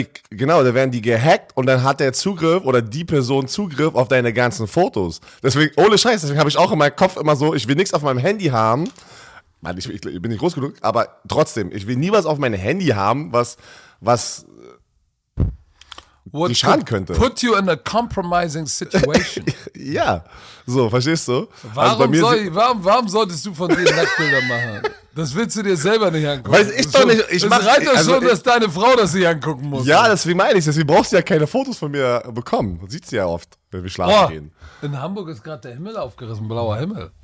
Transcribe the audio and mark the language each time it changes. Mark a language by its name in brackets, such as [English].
[German] Genau, da werden die gehackt und dann hat der Zugriff oder die Person Zugriff auf deine ganzen Fotos. Deswegen, ohne Scheiß, deswegen habe ich auch in meinem Kopf immer so, ich will nichts auf meinem Handy haben. Mann, ich bin nicht groß genug, aber trotzdem, ich will nie was auf meinem Handy haben, was what die schaden könnte. [English] Put you in a compromising situation. [German] Ja, so, verstehst du? Warum, also bei mir warum solltest du von dir Nacktbilder machen? Das willst du dir selber nicht angucken. Weiß ich das doch schon, nicht. Ich reicht doch schon, dass deine Frau das sich angucken muss. Ja, deswegen meine ich das. Sie brauchst ja keine Fotos von mir bekommen. Sieht sie ja oft, wenn wir schlafen gehen. In Hamburg ist gerade der Himmel aufgerissen, blauer Himmel.